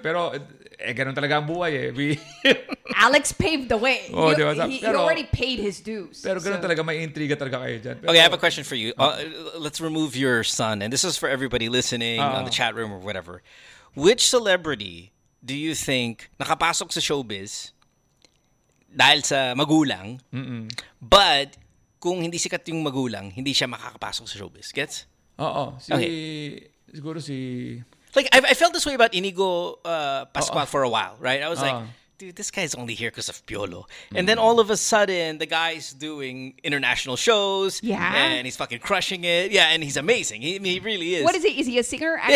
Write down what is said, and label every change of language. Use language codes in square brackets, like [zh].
[tl] Pero, ganun talaga ang buhay eh. [en] Alex paved the way. Oh, diba? He already paid his dues. [tl] Pero ganun talaga, may intriga talaga kayo dyan. [en] Okay, I have a question for you. Let's remove your son. And this is for everybody listening on the chat room or whatever. Which celebrity do you think [tl] nakapasok sa showbiz... Dahil sa magulang. Mm-mm. But, kung hindi sikat yung magulang, hindi siya makakapasok sa showbiz. [en] Gets? [tl] Oo. Si, okay. Siguro si... [en] Like, I felt this way about Inigo Pascual for a while, right? I was like, dude, this guy's only here because of Piolo. Mm-hmm. And then all of a sudden, the guy's doing international shows. Yeah. And he's fucking crushing it. Yeah, and he's amazing. He really is. What is he? Is he a singer, actor?